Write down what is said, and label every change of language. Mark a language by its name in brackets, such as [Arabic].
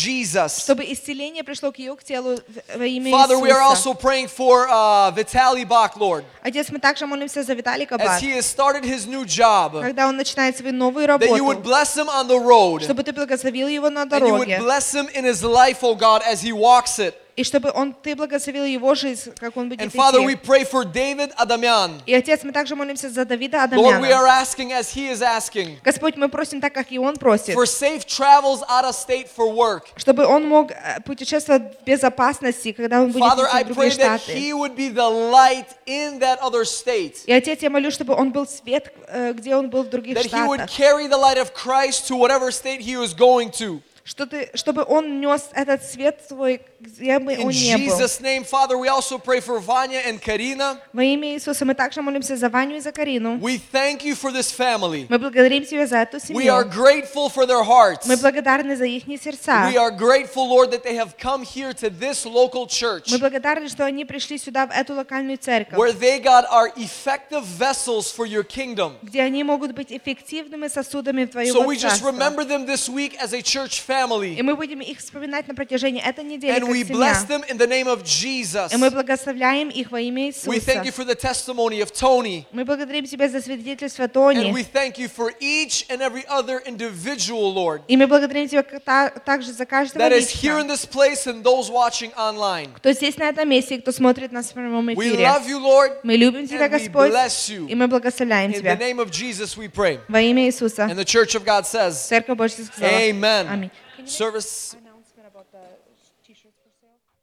[Russian] Чтобы исцеление пришло к ее телу во имя Иисуса. [English] Father, we are also praying for Vitaly Bach, Lord. [Russian] Отец, мы также молимся [English] As he has started his new job, that you would bless him on the road, [Russian] чтобы ты благословил его на дороге, [English] and you would bless him in his life, oh God, as he walks it. [Russian] И чтобы он ты благословил его жизнь, как он будет [English] and [Russian] идти. [English] Father, we pray for David Adamyan. [Russian] И отец, мы также молимся за Давида Адамяна. [English] Lord, we are asking as he is asking. [Russian] Господь, мы просим так, как и он просит. [English] For safe travels out of state for work. [Russian] Чтобы он мог путешествовать в безопасности, когда он будет [English] Father, [Russian] идти в другие штаты. [English] Father, I pray that he would be the light in that other state. [Russian] И отец, я молюсь, чтобы он был свет, где он был в других [English] that [Russian] штатах. [English] That he would carry the light of Christ to whatever state he was going to. [Russian] Чтобы он нес этот свет свой, где бы он ни был. [English] In Jesus' name, Father, we also pray for Vanya and Karina. [Russian] Во имя Иисуса мы также молимся за Ваню и за Карину. [English] We thank you for this family. [Russian] Мы благодарим тебя за эту семью. [English] We are grateful for their hearts. [Russian] Мы благодарны за их сердца. [English] We are grateful, Lord, that they have come here to this local church. [Russian] Мы благодарны, что они пришли сюда в эту локальную церковь. [English] Where they, God, are effective vessels for your kingdom. [Russian] Где они могут быть эффективными сосудами в твоем царстве. [English] So we just remember them this week as a church family. [Russian] И мы будем их вспоминать на протяжении этой недели. [English] And we bless them in the name of Jesus. [Russian] И мы благословляем их во имя Иисуса. [English] We thank you for the testimony of Tony. [Russian] Мы благодарим тебя за свидетельство Тони. [English] And we thank you for each and every other individual, Lord. [Russian] И мы благодарим тебя также за каждого [English] That is here in this place and those watching online. [Russian] Кто здесь на этом месте, кто смотрит нас в прямом эфире. [English] We love you, Lord. [Russian] Мы любим тебя, Господь. [English] And we bless you. [Russian] И мы благословляем тебя. [English] In the name of Jesus, we pray. [Russian] Во имя Иисуса. [English] And the Church of God says. [Russian] Церковь Божья сказала. [English] Amen. [Russian] Аминь. [English] Service announcement about the t-shirts for sale.